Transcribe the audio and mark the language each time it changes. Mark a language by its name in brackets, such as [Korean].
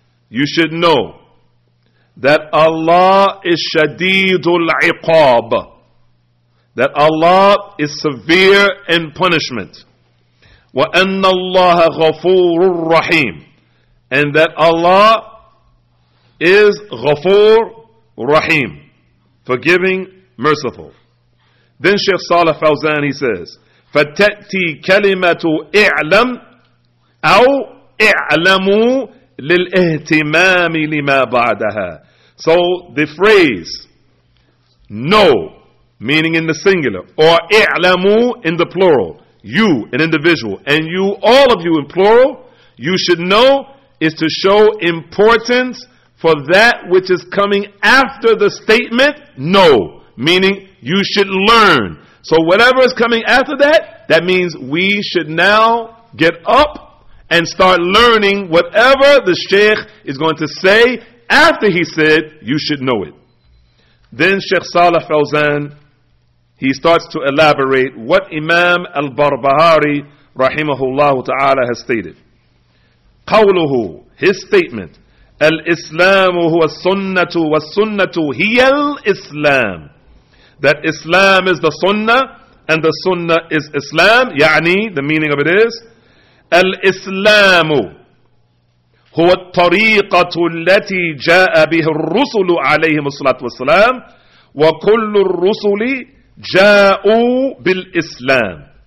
[English] You should know that Allah is shadidul iqab, that Allah is severe in punishment. [Arabic] Wa anna Allah ghafur rahim, [English] and that Allah is ghafur rahim, forgiving, merciful. Then Sheikh Saleh Fawzan, he says, [Arabic] فَتَأْتِي كَلِمَةُ اِعْلَمْ أَوْ اِعْلَمُوا لِلْإِهْتِمَامِ لِمَا بَعْدَهَا. [English] So the phrase, no, meaning in the singular, or اِعْلَمُوا in the plural, you, an individual, and you, all of you in plural, you should know, is to show importance for that which is coming after the statement, no, meaning you should learn. So whatever is coming after that, that means we should now get up and start learning whatever the sheikh is going to say after he said, you should know it. Then Sheikh Saleh Fawzan, he starts to elaborate what Imam Al-Barbahari, rahimahullah ta'ala, has stated. [Arabic] قوله, [English] his statement, [Arabic] الإسلام هو السنة والسنة هي الإسلام. [English] That Islam is the sunnah, and the sunnah is Islam. [Arabic] يعني, [English] the meaning of it is, [Arabic] الإسلام هو الطريقة التي جاء به الرسل عليهم الصلاة والسلام وكل الرسل جاءوا بالإسلام